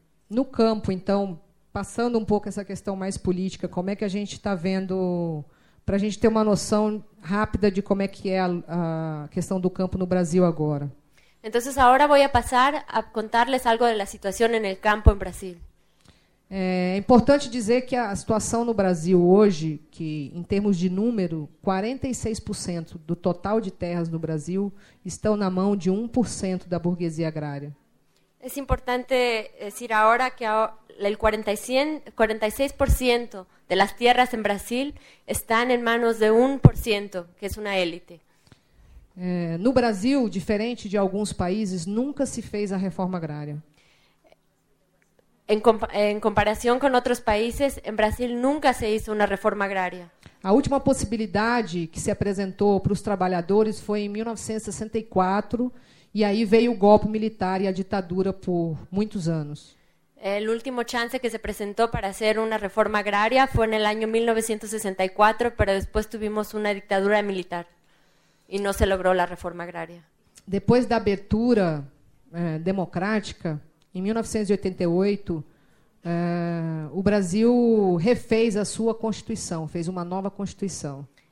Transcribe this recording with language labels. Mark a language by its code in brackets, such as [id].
[pt] No campo, então, passando um pouco essa questão mais política, como é que a gente está vendo, para a gente ter uma noção rápida de como é que é a questão do campo no Brasil agora? [es] Entonces ahora voy a pasar a contarles algo de la situación en el campo en Brasil. [pt] É importante dizer que a situação no Brasil hoje, que em termos de número, 46% do total de terras no Brasil estão na mão de 1% da burguesia agrária. É importante dizer agora que [es] el 46% de las tierras en Brasil están en manos de 1%, que es una élite. [pt] No Brasil, diferente de alguns países, nunca se fez a reforma agrária. [es] En comparación con otros países, en Brasil nunca se hizo una reforma agraria. [pt] A última posibilidade que se apresentou para os trabalhadores foi em 1964, e aí veio o golpe militar e a ditadura por muitos anos. [es] El último chance que se presentó para hacer una reforma agraria fue en el año 1964, pero después tuvimos una dictadura militar y no se logró la reforma agraria. Después de la abertura democrática, en 1988, el Brasil refez a su constitución, fez una nueva constitución.